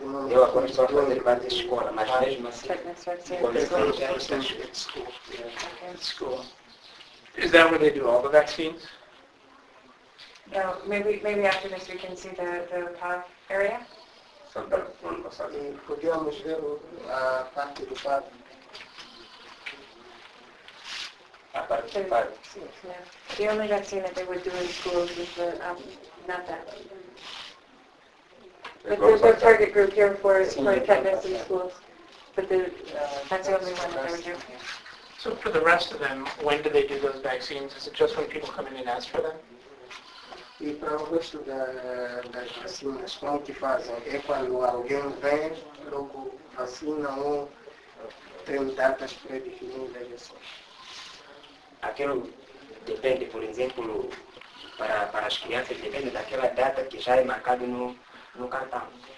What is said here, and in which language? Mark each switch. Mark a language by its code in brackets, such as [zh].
[pt] Eu agora estou a fazer VATI escola, mas mesmo assim, comecei já a escola. [en] Is that where they do all the vaccines? No, maybe after this we can see the PAV area. [pt] Podíamos ver a parte do PAV. A parte do PAV. [en] The only vaccine that they would do in schools is the not that. But there's no target group here for tetanus in schools. But that's the only one that they would do. So for the rest of them, when do they do those vaccines? Is it just when people come in and ask for them? [pt] E para o resto das vacinas, como que fazem? É quando alguém vem, logo vacina ou tem datas pré-definidas assim? Aquilo depende, por exemplo, para as crianças, depende daquela data que já é marcada no cartão.